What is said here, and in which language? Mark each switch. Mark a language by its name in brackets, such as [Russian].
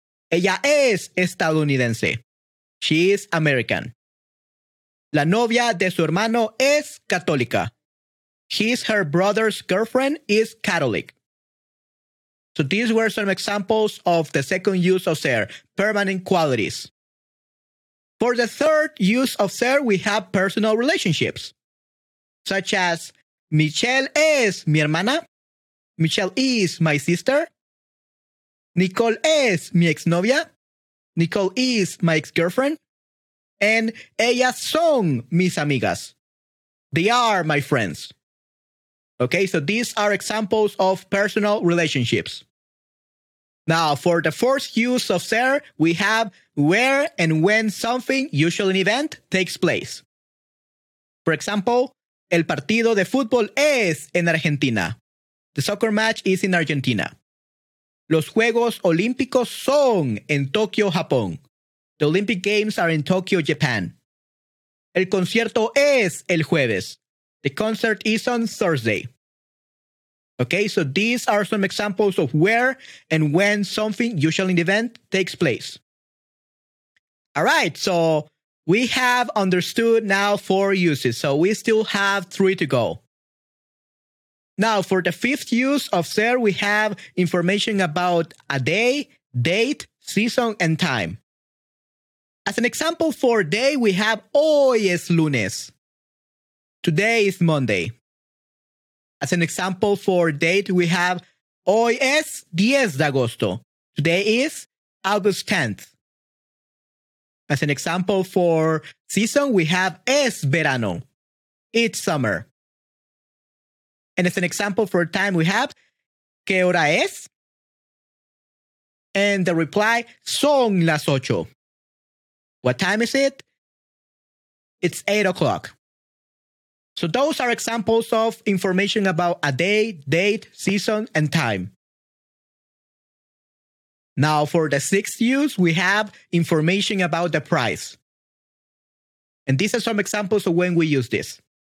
[Spanish] Ella es estadounidense. [English] She is American. [Spanish] La novia de su hermano es católica. [English] His her brother's girlfriend is Catholic. So these were some examples of the second use of ser, permanent qualities. For the third use of ser, we have personal relationships, such as [Spanish] Michelle es mi hermana. [English] Michelle is my sister. [Spanish] Nicole es mi exnovia. [English] Nicole is my ex-girlfriend. And [Spanish] ellas son mis amigas. [English] They are my friends. Okay, so these are examples of personal relationships. Now, for the fourth use of ser, we have where and when something, usually an event, takes place. For example, [Spanish] el partido de fútbol es en Argentina. [English] The soccer match is in Argentina. [Spanish] Los Juegos Olímpicos son en Tokio, Japón. [English] The Olympic Games are in Tokyo, Japan. [Spanish] El concierto es el jueves. [English] The concert is on Thursday. Okay, so these are some examples of where and when something, usually an event, takes place. All right, so we have understood now four uses, so we still have three to go. Now, for the fifth use of ser, we have information about a day, date, season, and time. As an example for day, we have [Spanish] hoy es lunes. [English] Today is Monday. As an example for date, we have [Spanish] hoy es 10 de agosto. [English] Today is August 10th. As an example for season, we have [Spanish] es verano. [English] It's summer. And as an example for time, we have [Spanish] ¿qué hora es? [English] And the reply, [Spanish] son las ocho. [English] What time is it? It's 8 o'clock. So those are examples of information about a day, date, season, and time. Now for the sixth use, we have information about the price. And these are some examples of when we use this.